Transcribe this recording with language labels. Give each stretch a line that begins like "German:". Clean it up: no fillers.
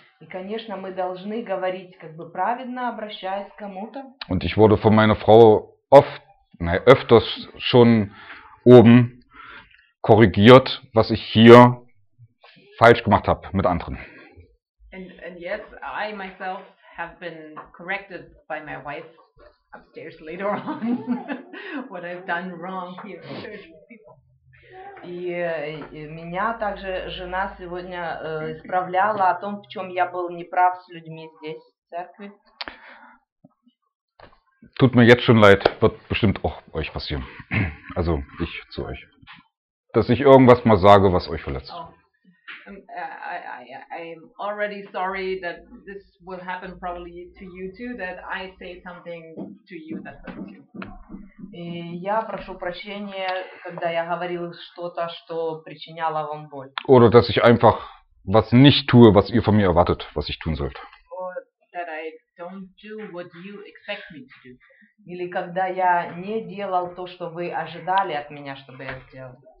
Russian: И, конечно, мы должны говорить как бы праведно, обращаясь к кому-то.
German: Und ich wurde von meiner Frau öfters schon oben korrigiert, was ich hier falsch gemacht habe mit anderen.
English: And yes, I myself have been corrected by my wife upstairs later on what I've done wrong here in church with people.
Russian: И меня также жена сегодня исправляла о том, в чем я был неправ с людьми здесь, в церкви.
German: Tut mir jetzt schon leid, wird bestimmt auch euch passieren. Also ich zu euch. Dass ich irgendwas mal sage, was euch verletzt.
English: I'm already sorry that this will happen probably to you too, that I say something to you that hurts you.
Russian: И я прошу прощения, когда я говорил что-то, что причиняло вам боль.
German: Oder dass ich einfach was nicht tue, was ihr von mir erwartet, was ich tun sollte.
English: Don't do what you expect me to do.
Russian: Или когда я не делал то, что вы ожидали от меня, чтобы я сделал.